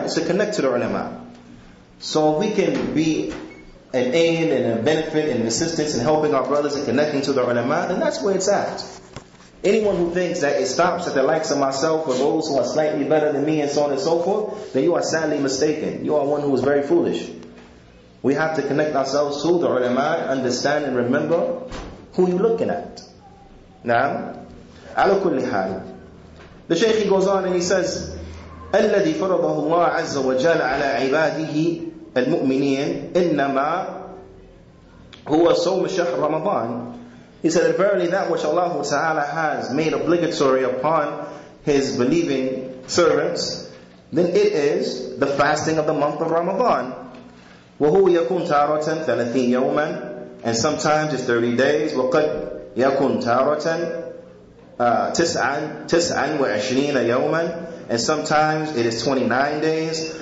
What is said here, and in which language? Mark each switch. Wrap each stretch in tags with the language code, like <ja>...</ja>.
<en>It's to connect to the ulama. So if we can be an aid and a benefit and assistance in helping our brothers and connecting to the ulama, then that's where it's at. Anyone who thinks that it stops at the likes of myself or those who are slightly better than me and so on and so forth, then you are sadly mistaken. You are one who is very foolish. We have to connect ourselves to the ulama, understand and remember who you're looking at. Now,</en> <ar>على كل حال,</ar> <en>the Shaykh he goes on and he says,</en> <ar>الذي فرضه الله عز وجل على عباده المؤمنين إنما هو صوم شهر رمضان.</ar> <en>He said, and verily that which Allah Ta'ala has made obligatory upon His believing servants, then it is the fasting of the month of Ramadan.</en> <ar>وَهُوَ يَكُونُ تَارَةً 30 يَوْمًا,</ar> <en>and sometimes it's 30 days.</en> <ar>وَقَدْ يَكُونُ تَارَةً 29 يَوْمًا,</ar> <en>and sometimes it is 29 days.</en>